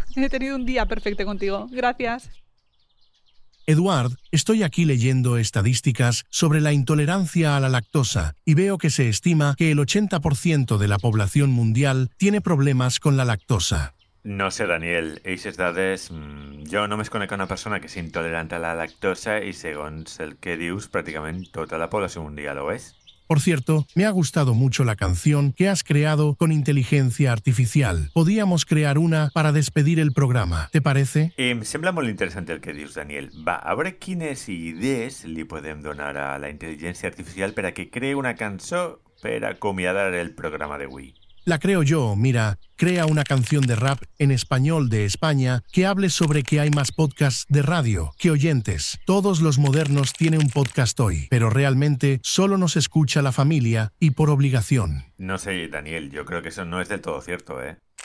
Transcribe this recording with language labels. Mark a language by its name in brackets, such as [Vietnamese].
[Spanish] He tenido un día perfecto contigo. Gracias. Eduard, estoy aquí leyendo estadísticas sobre la intolerancia a la lactosa y veo que se estima que el 80% de la población mundial tiene problemas con la lactosa. [Catalan] No sé, Daniel. Eixes dades... Jo no me conec una persona que és intolerante a la lactosa i, segons el que dius, pràcticament tota la població mundial ho és. [Spanish] Por cierto, me ha gustado mucho la canción que has creado con inteligencia artificial. Podíamos crear una para despedir el programa, ¿te parece? [Catalan] Me sembla molt interessant el que dius, Daniel. Va, a veure quines idees li podem donar a la inteligència artificial per a que cree una cançó per acomiadar el programa de Wii. [Spanish] La creo yo, mira, crea una canción de rap en español de España que hable sobre que hay más podcasts de radio que oyentes. Todos los modernos tienen un podcast hoy, pero realmente solo nos escucha la familia y por obligación. No sé, Daniel, yo creo que eso no es del todo cierto, ¿eh?